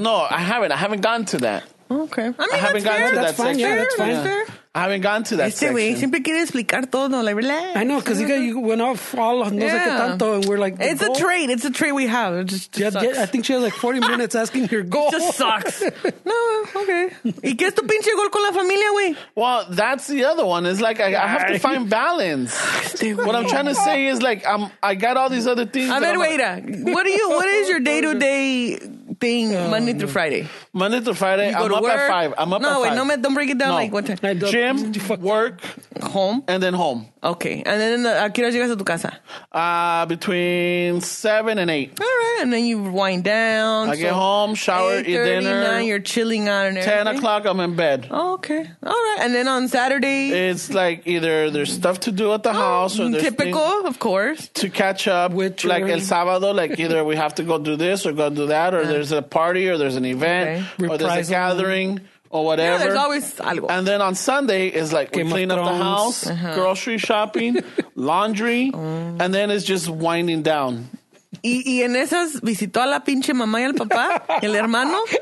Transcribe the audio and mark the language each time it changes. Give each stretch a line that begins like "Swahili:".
English: No, I haven't. I haven't gotten to that. Okay. I haven't gotten to that section.
Spanish: Este güey siempre quiere explicar todo.
English: Like, relax. I know, because you went off all
Spanish: no sé qué tanto,
English: and we're like, it's goal? A trait. It's a trait we have. It just sucks. I think she has like 40 minutes asking her goal. It just sucks.
Spanish: No, okay. ¿Y qué es tu pinche gol con la familia, güey?
English: Well, that's the other one. It's like, I have to find balance. What I'm trying to say is like, I got all these other things.
Spanish: A ver, wait.
English: What is your day-to-day thing Monday through Friday? Monday through Friday, I'm up at five. No, wait, don't break it down. No. Like, what time? Gym, work, home, and then home. Okay. And then,
Spanish: ¿a qué hora llegas a tu casa?
English: Between 7 and 8. All right. And then you wind down. I get home, shower, 8:30, eat dinner. 9, you're chilling out and everything. 10 o'clock, I'm in bed. Oh, okay. All right. And then on Saturday? It's like either there's stuff to do at the house. Or typical, of course. To catch up. With like
Spanish: el sábado,
English: like either we have to go do this or go do that, or there's a party, or there's an event, okay. Or there's a gathering. or whatever. Yeah, there's always algo. And then on Sunday, it's like we clean up the house, grocery shopping, laundry, and then it's just winding down.
Spanish: Y en esas visitó a la pinche mamá y al papá, el hermano.